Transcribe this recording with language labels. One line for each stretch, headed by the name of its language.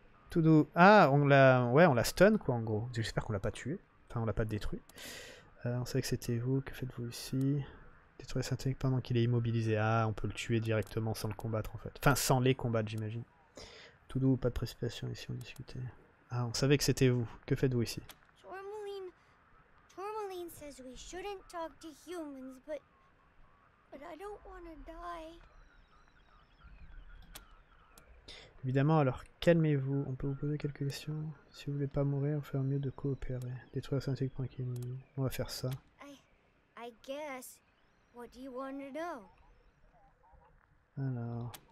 French: Tout doux. Ah, on l'a stun quoi en gros. J'espère qu'on l'a pas tué. Enfin, on l'a pas détruit. On savait que c'était vous. Que faites-vous ici? Détruire synthétique pendant qu'il est immobilisé. Ah, on peut le tuer directement sans le combattre en fait. Enfin, sans les combattre, j'imagine. Tout doux, pas de précipitation ici, on discutait. Ah, on savait que c'était vous. Que faites-vous ici?
English: Tourmaline says we shouldn't talk to humans, but I don't want to die.
French: Évidemment, alors calmez-vous, on peut vous poser quelques questions. Si vous voulez pas mourir, on ferait mieux de coopérer. Détruire la synthétique pour qu'il nous... On va faire ça.
English: I guess. What do you want to know?
French: Alors...